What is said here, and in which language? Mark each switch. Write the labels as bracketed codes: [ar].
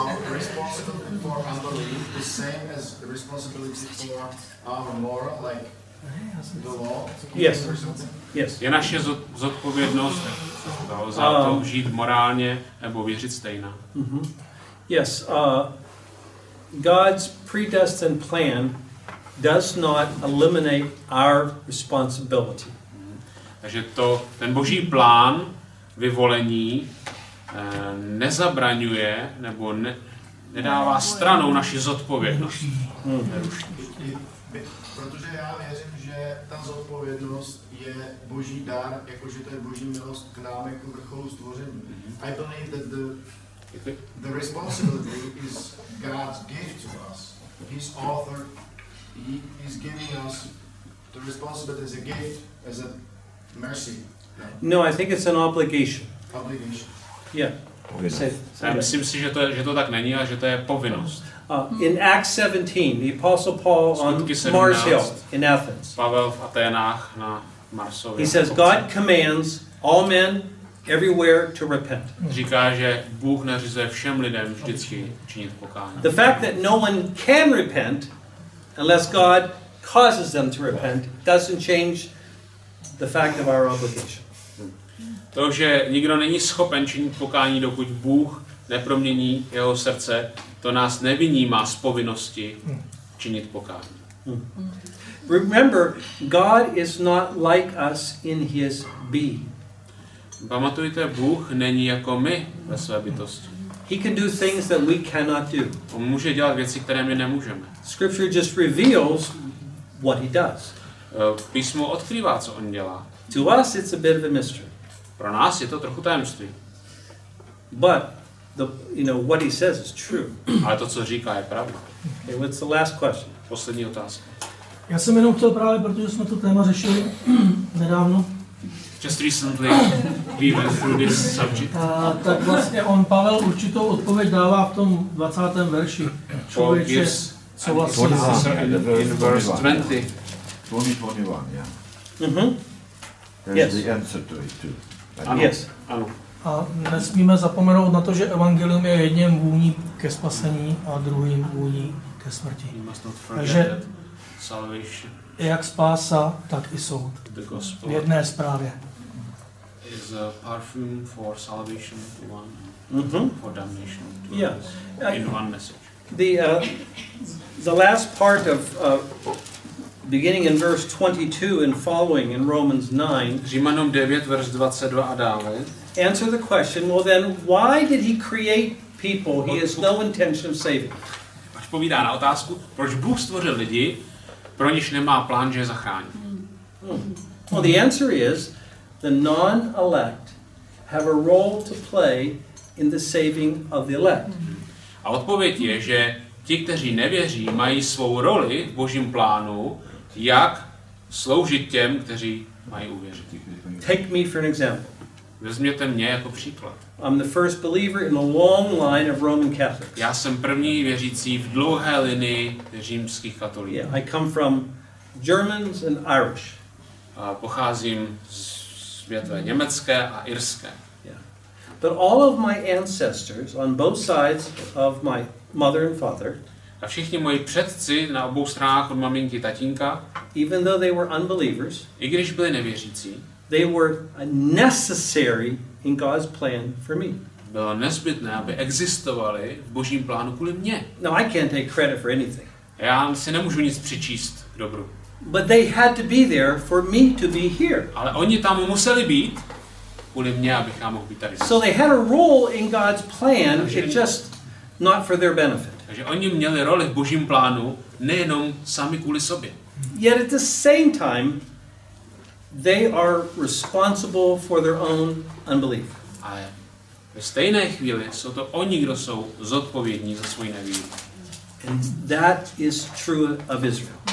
[en] Responsibility for unbelief the same as responsibility for our moral, like the law? Yes. Yes. [cs] Je naše zodpovědnost za to žít morálně nebo věřit stejná. [en] Yes. God's predestined plan does not eliminate our responsibility. [cs] Takže to ten Boží plán vyvolení nezabraňuje nebo nedává stranou naši zodpovědnost. Protože já věřím, že ta zodpovědnost je Boží dar, jakože to je Boží milost k nám jako vrcholu stvoření. [en] I believe that the responsibility is God's gift to us. His author, he is giving us the responsibility as a gift, as a mercy. No, I think it's an obligation. Obligation. Yeah. [cs] Já myslím si, že to tak není, ale že to je povinnost. [en] In Acts 17, the Apostle Paul on Mars Hill in Athens. [cs] Pavel v Aténách na Marsově. [en] He says God commands all men everywhere to repent. [cs] Říká, že Bůh nařizuje všem lidem vždycky činit pokání. [en] The fact that no one can repent unless God causes them to repent doesn't change the fact of our obligation. [cs] To, že nikdo není schopen činit pokání, dokud Bůh nepromění jeho srdce, to nás nevynímá z povinnosti činit pokání. [en] Remember, God is not like us in his being. [cs] Pamatujte, Bůh není jako my ve své bytosti. [en] He can do things that we cannot do. [cs] On může dělat věci, které my nemůžeme. [en] Scripture just reveals what he does. [cs] Písmo odkrývá, co on dělá. [en] To us it's a bit of a mystery. [cs] Pro nás je to trochu tajemství. [en] But the, you know, what he says is true. [cs] Ale to, co říká, je pravda. [en] Okay, what's the last question? [cs] Poslední otázka. Já jsem jenom chtěl právě, protože jsme to téma řešili nedávno. [en] Just recently we went through this subject. [cs] Tak vlastně on Pavel určitou odpověď dává v tom 20. verši. Člověče, co vlastně je [en] in verse 20. 2021, yeah. Mm-hmm. There's yes. The answer to it too. [cs] Ano. [en] Yes. [cs] Ano. A nesmíme zapomenout na to, že evangelium je jedním vůní ke spasení a druhým vůní ke smrti. [en] You must not forget. [cs] Takže [en] salvation. [cs] Jak spása, tak i soud. [en] The gospel. [cs] V jedné zprávě. [en] Is a perfume for salvation to one, mm-hmm. for damnation to yeah. In one message. The last part of beginning in verse 22 and following in Romans 9. [cs] Římanům 9 verš 22 a dále. [en] Answer the question, well then why did he create people? He has no intention of saving. [cs] Odpovídá na otázku, proč Bůh stvořil lidi, pro něž nemá plán, že je zachrání. [en] Well, the answer is the non-elect have a role to play in the saving of the elect. [cs] A odpověď je, že ti, kteří nevěří, mají svou roli v Božím plánu. Jak sloužit těm, kteří mají uvěřit. [en] Take me for an example. [cs] Vezměte mě jako příklad. [en] I'm the first believer in a long line of Roman Catholics. [cs] Já jsem první věřící v dlouhé linii římských katolíků. [en] Yeah, I come from Germans and Irish. [cs] A pocházím z větve německé a irské. [en] Yeah. But all of my ancestors on both sides of my mother and father. [cs] A všichni moji předci na obou stranách od maminky tatínka, [en] even though they were unbelievers, [cs] i když byli nevěřící, [en] they were necessary in God's plan for me. [cs] Bylo nezbytné, aby existovali v Božím plánu kvůli mně. [en] No, I can't take credit for anything. [cs] Já si nemůžu nic přičíst k dobru. [en] But they had to be there for me to be here. [cs] Ale oni tam museli být kvůli mně, abych já mohl být tady. [en] So they had a role in God's plan, it just not for their benefit. [cs] Že oni měli roli v Božím plánu nejenom sami kvůli sobě. [en] Yet at the same time, they are responsible for their own unbelief. [cs] A ve stejné chvíli jsou to oni, kdo jsou zodpovědní za svůj nevíru. [en] And that is true of Israel.